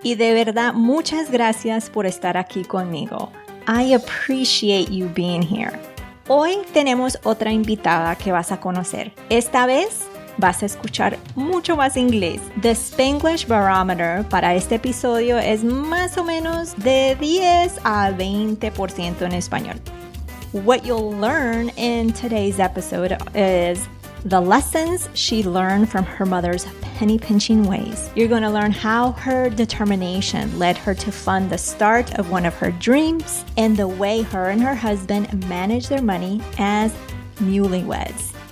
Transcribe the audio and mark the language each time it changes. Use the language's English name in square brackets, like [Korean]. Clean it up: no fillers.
[Spanish] Y de verdad, muchas gracias por estar aquí conmigo. [English] I appreciate you being here. [Spanish] Hoy tenemos otra invitada que vas a conocer. Esta vez vas a escuchar mucho más inglés. The Spanglish Barometer para este episodio es más o menos de 10 a 20% en español. [English] What you'll learn in today's episode is the lessons she learned from her mother's penny-pinching ways. You're going to learn how her determination led her to fund the start of one of her dreams and the way her and her husband manage their money as newlyweds.